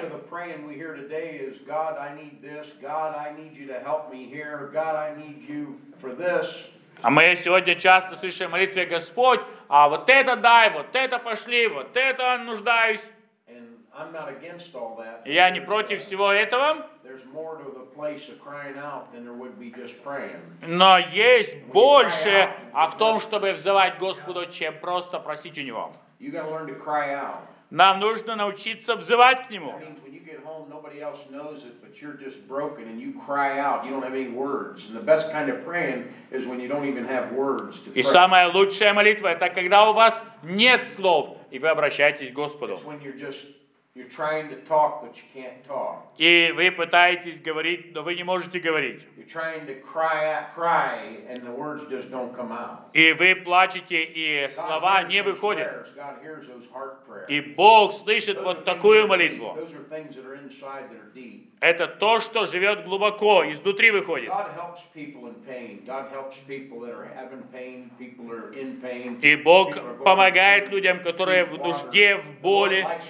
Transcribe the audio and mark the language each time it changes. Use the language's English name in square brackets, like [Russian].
[Russian] А мы сегодня часто слышим молитвы: Господь, а вот это дай, вот это пошли, вот это нуждаюсь. [English] I'm not against all that. [Russian] Я не против всего этого. [English] There's more to the place of crying out than there would be just praying. [Russian] Но есть больше, а в том, чтобы взывать Господу, чем просто просить у Него. [English] You got to learn to cry out. [Russian] Нам нужно научиться взывать к Нему. [English] That means when you get home, nobody else knows it, but you're just broken and you cry out. You don't have any words. And the best kind of praying is when you don't even have words to pray. [Russian] И самая лучшая молитва – это когда у вас нет слов и вы обращаетесь к Господу. [English] It's when you're just you're trying to talk, but you can't talk. [Russian] И вы пытаетесь говорить, но вы не можете говорить. [English] You're trying to cry out, cry, and the words just don't come out. [Russian] И вы плачете, и слова не выходят. [English] God hears those heart prayers. [Russian] И Бог слышит вот такую молитву. [English] Those are things that are inside, that are deep. [Russian] Это то, что живет глубоко, изнутри выходит. [English] God helps people in pain. God helps people that are having pain, people that are in pain. [Russian] И Бог помогает людям, которые в нужде, в боли.